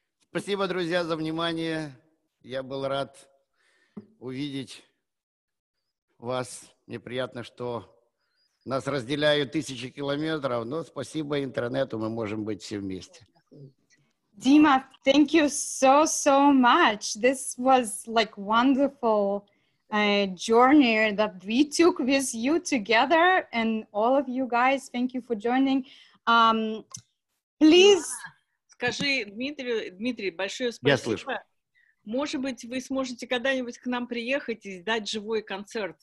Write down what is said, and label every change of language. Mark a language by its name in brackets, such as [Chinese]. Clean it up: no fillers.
[Russian] Спасибо, друзья, за внимание. Я был рад увидеть вас. Мне приятно, что нас разделяют тысячи километров, но спасибо интернету, мы можем быть все вместе. [English] Дима, thank you so, so much. This was like wonderful journey that we took with you together and all of you guys. Thank you for joining. Please... [Russian] Скажи, Дмитрий, большое спасибо. Может быть, вы сможете когда-нибудь к нам приехать и дать живой концерт.